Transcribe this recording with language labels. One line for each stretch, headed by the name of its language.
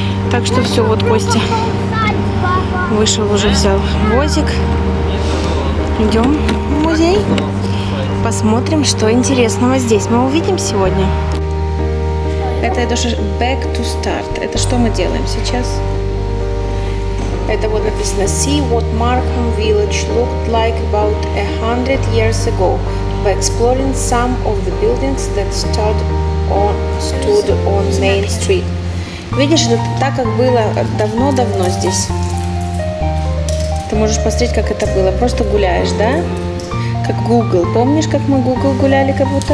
Russian: Так что все, вот Костя вышел, уже взял возик. Идем в музей. Посмотрим, что интересного здесь мы увидим сегодня. Это я даже
English: back to start.
Russian: Это что мы делаем сейчас? Это вот написано
English: See what Markham Village looked like about 100 years ago. By exploring some of the buildings that stood on Main Street.
Russian: Видишь, это так, как было давно-давно здесь. Ты можешь посмотреть, как это было. Просто гуляешь, да? Как Google. Помнишь, как мы Google гуляли, как будто?